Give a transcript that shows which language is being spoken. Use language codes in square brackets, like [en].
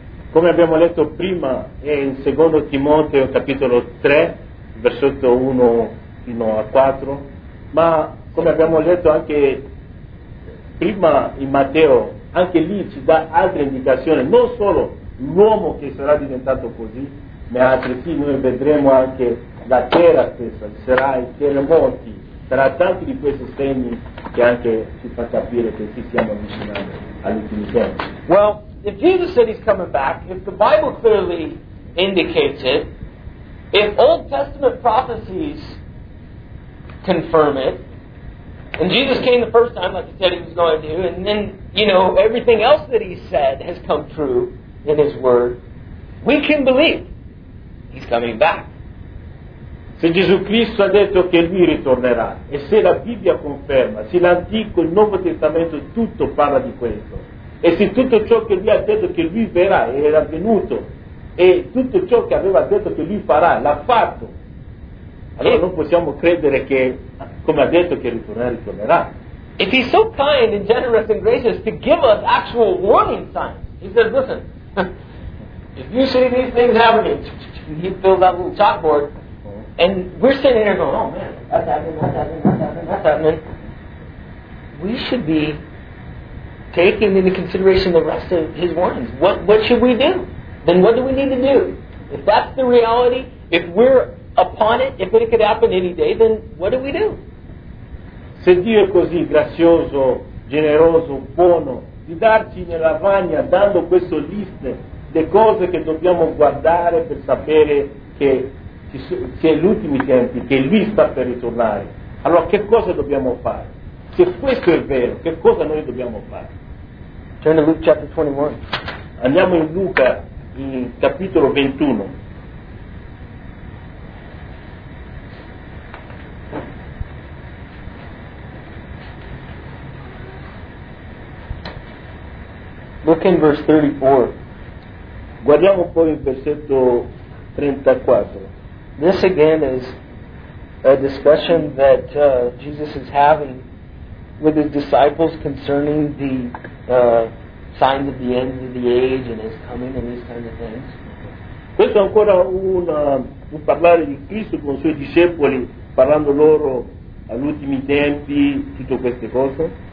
[it] Come abbiamo letto prima in Secondo Timoteo capitolo 3 versetto 1 fino a 4, ma come abbiamo letto anche prima in Matteo, anche lì ci dà altre indicazioni, non solo l'uomo che sarà diventato così, ma altresì noi vedremo anche la terra stessa, ci sarà i terremoti, sarà tanti di questi segni che anche ci fa capire che ci stiamo avvicinando all'ultimo tempo. [en] Well, if Jesus said he's coming back, if the Bible clearly indicates it, if Old Testament prophecies confirm it, and Jesus came the first time, like he said he was going to, and then, you know, everything else that he said has come true in his word, we can believe he's coming back. [it] Se Gesù Cristo ha detto che lui ritornerà, e se la Bibbia conferma, se l'Antico e il Nuovo Testamento tutto parla di questo, e se tutto ciò che lui ha detto che lui verrà è avvenuto, e tutto ciò che aveva detto che lui farà l'ha fatto, allora non possiamo credere che, come ha detto, che ritornerà. [en] If he's so kind and generous and gracious to give us actual warning signs, he says, listen, if you see these things happening, he fills out a little chalkboard, and we're sitting here going, oh man, that's happening. We should be taking into consideration the rest of his warnings. What should we do? Then what do we need to do? If that's the reality, if we're upon it, if it could happen any day, then what do we do? [it] Se Dio è così grazioso, generoso, buono, di darci in lavagna dando questo list di cose che dobbiamo guardare per sapere che c'è l'ultimo tempo, che lui sta per ritornare, allora che cosa dobbiamo fare? Se questo è vero, che cosa noi dobbiamo fare? [en] Turn to Luke chapter 21. [it] Andiamo in Luca, in capitolo 21. [en] Look in verse 34. [it] Guardiamo poi il versetto 34. [en] This again is a discussion that Jesus is having with his disciples concerning the signs of the end of the age and his coming and these kinds of things. [it] Questo è ancora un parlare di Cristo con i suoi discepoli, parlando loro agli ultimi tempi, tutte queste cose.